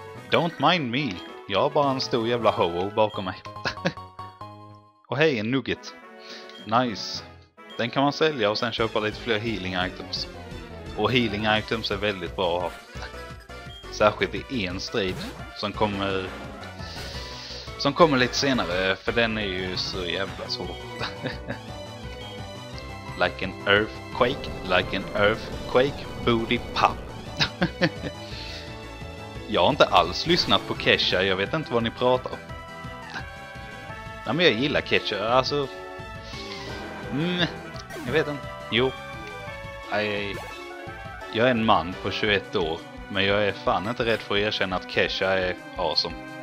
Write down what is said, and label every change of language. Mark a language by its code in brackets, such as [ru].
[en] Don't mind me. [sv] Jag har bara en stor jävla ho-ho bakom mig. Och hej, en nugget. Nice. Den kan man sälja och sen köpa lite fler healing items. Och healing items är väldigt bra att ha. Särskilt i en strid som kommer lite senare, för den är ju så jävla svår. [en] Like an earthquake, like an earthquake, booty pop. [sv] Jag har inte alls lyssnat på Kesha, jag vet inte vad ni pratar om. Nej, men jag gillar Kesha, alltså... jag vet inte. Jo. Jag är en man på 21 år, men jag är fan inte rädd för att erkänna att Kesha är awesome.